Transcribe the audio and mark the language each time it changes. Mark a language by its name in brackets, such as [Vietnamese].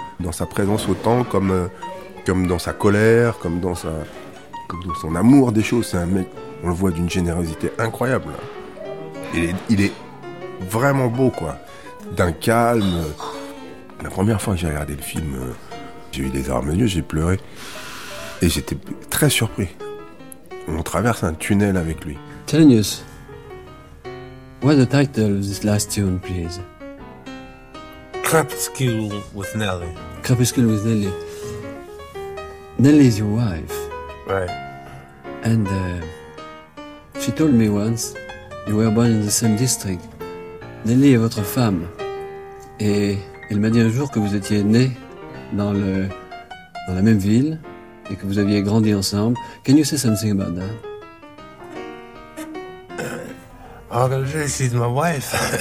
[French] Dans sa présence autant comme dans sa colère, comme dans son amour des choses. C'est un mec, on le voit, d'une générosité incroyable. Il est vraiment beau, quoi. D'un calme. La première fois que j'ai regardé le film, j'ai eu des larmes aux yeux, j'ai pleuré. Et j'étais très surpris. On traverse un tunnel avec lui. [English] Thelonious, what's the title of this last tune, please? Crepuscule with Nelly. Crepuscule with Nelly. Nelly is your wife. Right. And she told me once, you were born in the same district. [French] Nelly est votre femme. Et elle m'a dit un jour que vous étiez né dans la même ville et que vous aviez grandi ensemble. [English] Can you say something about that? Okay, she's my wife.